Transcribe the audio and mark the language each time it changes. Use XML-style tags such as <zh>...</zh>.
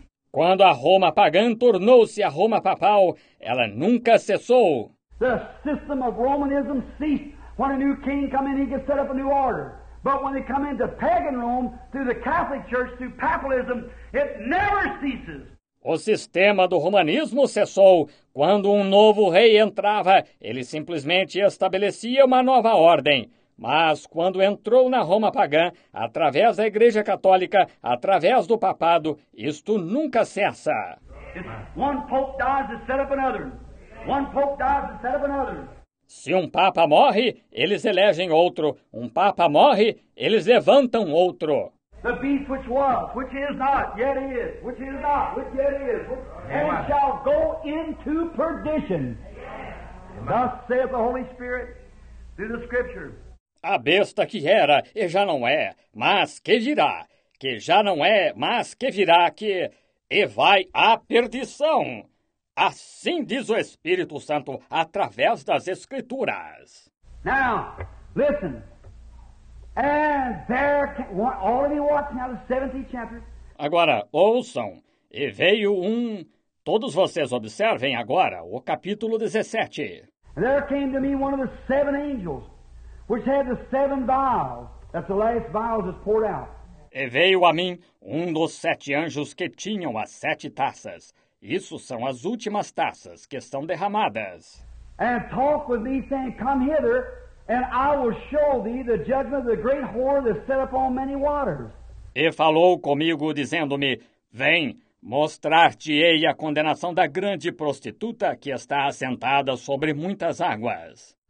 <pt>Quando a Roma pagã tornou-se a Roma papal, ela nunca cessou. O sistema de romanismo cessou.</pt> <en>When a new king come in, he can set up a new order. But when they come into pagan Rome, through the Catholic Church, through papalism, it never ceases.</en> <pt>O sistema do romanismo cessou. Quando um novo rei entrava, ele simplesmente estabelecia uma nova ordem. Mas quando entrou na Roma pagã, através da Igreja Católica, através do papado, isto nunca cessa.</pt> <en>One pope dies to set up another. One pope dies to set up another.</en> <pt>Se um Papa morre, eles elegem outro. Um Papa morre, eles levantam outro.</pt> <en>The beast which was, which is not, yet is, which is not, which yet is, which, and it shall go into perdition. Amen. Thus saith the Holy Spirit through the Scripture.</en> <pt>A besta que era e já não é, mas que virá. Que já não é, mas que virá que... E vai à perdição. Assim diz o Espírito Santo através das Escrituras.</pt> <en>Now, listen. And there came, already watching out of the 17th chapter.</en> <pt>Agora, ouçam. E veio um. Todos vocês observem agora o capítulo 17.</pt> <en>And there came to me one of the seven angels, which had the seven vials. That's the last vials that's poured out.</en> <pt>E veio a mim um dos sete anjos que tinham as sete taças. Isso são as últimas taças que estão derramadas.</pt> <en>And talk with me, saying, come hither, and I will show thee the judgment of the great whore that's set upon many waters.</en> <pt>E falou comigo, dizendo-me, vem, mostrar-te-ei a condenação da grande prostituta que está assentada sobre muitas águas.</pt>